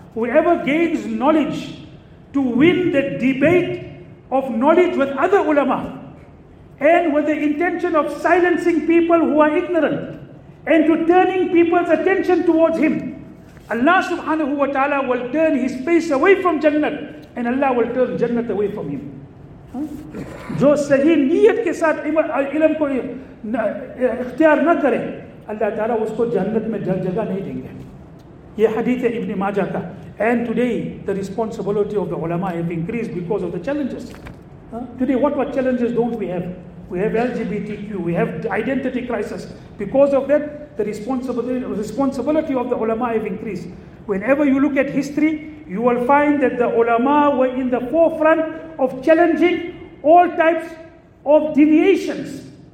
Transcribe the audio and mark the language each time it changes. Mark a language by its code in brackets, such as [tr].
[en] Whoever gains knowledge to win the debate of knowledge with other ulama, and with the intention of silencing people who are ignorant, and to turning people's attention towards him, Allah subhanahu wa ta'ala will turn his face away from Jannat, and Allah will turn Jannat away from him. [ur] جو صحیح نیت کے ساتھ علم کو اختیار نہ کرے, اللہ تعالیٰ اس کو جنت میں جگہ نہیں دیں گے. یہ حدیث ہے ابن ماجہ کا. [en] And today, the responsibility of the ulama have increased because of the challenges. Today, what challenges don't we have? We have LGBTQ, we have identity crisis. Because of that, the responsibility of the ulama have increased. Whenever you look at history, you will find that the ulama were in the forefront of challenging all types of deviations.